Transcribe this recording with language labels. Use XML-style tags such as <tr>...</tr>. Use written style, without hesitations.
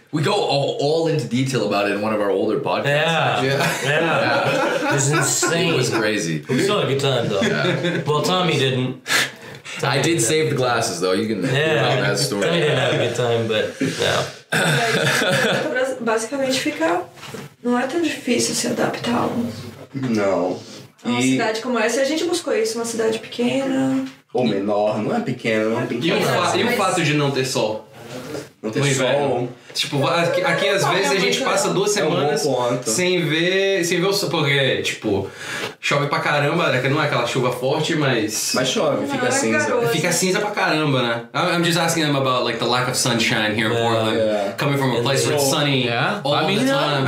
<en>We go all into detail about it in one of our older podcasts. Yeah. It's insane. It was crazy. We still had a good time though. Yeah. Well, Tommy didn't. Tommy I did save the glasses though. You can hear about that story. Tommy didn't have a good time, but yeah.</en> <pt>Basicamente, fica não é tão difícil se adaptar.</pt> <en>No.</en> <pt>Uma cidade como essa, a gente buscou isso, uma cidade pequena. Ou menor, não é pequena. E o fato de não ter sol? Não tem sol. Tipo, aqui às vezes a gente passa duas semanas sem ver o sol. Porque, tipo, chove pra caramba, não é aquela chuva forte, mas. Mas chove, fica não, cinza. É fica cinza pra caramba, né?</pt> <en>I'm just asking them about like the lack of sunshine here in Portland. Yeah. Coming from a place where it's sunny all the time.</en>